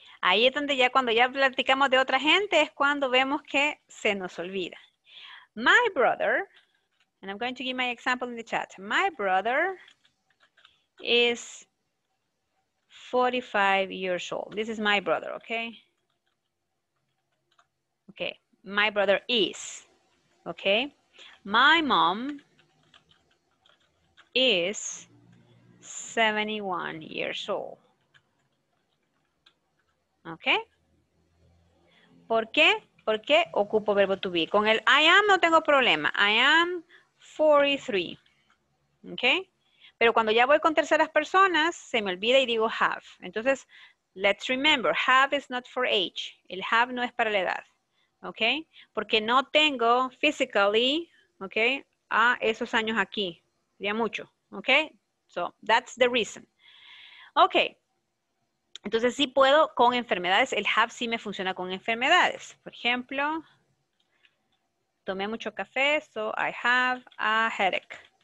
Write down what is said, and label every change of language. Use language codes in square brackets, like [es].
[es] Ahí es donde ya cuando ya platicamos de otra gente es cuando vemos que se nos olvida. [en] My brother, and I'm going to give my example in the chat. My brother is 45 years old. This is my brother, okay? Okay, my brother is, okay? My mom is 71 years old. [es] Okay. ¿Por qué? ¿Por qué ocupo verbo to be? Con el I am no tengo problema. [en] I am 43. [es] Okay. Pero cuando ya voy con terceras personas, se me olvida y digo have. [en] Entonces, let's remember, have is not for age. [es] El have no es para la edad. Okay. Porque no tengo physically, okay, a esos años aquí. Ya mucho. [en] Okay. So, that's the reason. Okay. [es] Entonces, sí puedo con enfermedades. El have sí me funciona con enfermedades. Por ejemplo, tomé mucho café, [en] so I have a headache.